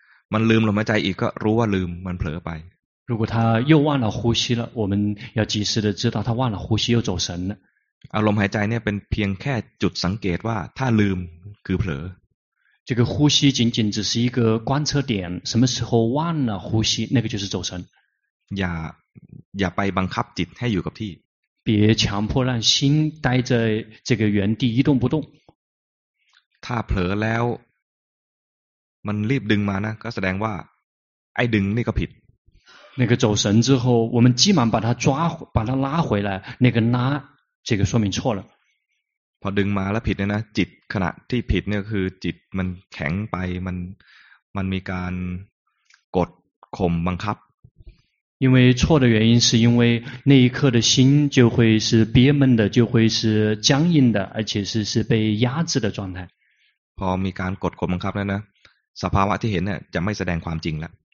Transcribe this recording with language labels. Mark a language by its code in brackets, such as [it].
[th] มันลืมลมหายใจอีกก็รู้ว่าลืมมันเผลอไป [zh] 如果他又忘了呼吸了我们要及时的知道他忘了呼吸又走神了 [th] ลมหายใจเนี่ยเป็นเพียงแค่จุดสังเกตว่าถ้าลืมคือเผล [zh] อ这个呼吸仅仅只是一个观测点什么时候忘了呼吸那个就是走神 [th] อย่าไปบังคับจิตให้อยู่กับที่ [zh] 别强迫让心待在这个原地一动不动 [th] ถ้าเผลอแล้วมันรีบดึงมานะก็แสดงว่าไอ้ดึงนี่ก็ผิด [zh] 那个走神之后我们急忙把它抓把它拉回来那个拉这个说明错了 [th] พอดึงมาแล้วผิดเนี่ยนะจิตขณะที่ผิดเนี่ยคือจิตมันแข็งไปมันมีการกดข่มบังคับ [zh] 因为错的原因是因为那一刻的心就会是憋闷的就会是僵硬的而且是被压制的状态 [th] พอมีการกดข่มบังคับแล้วนะสภาวะที่เห็นเนี่ยจะไม่แสดงความจริงแล้ว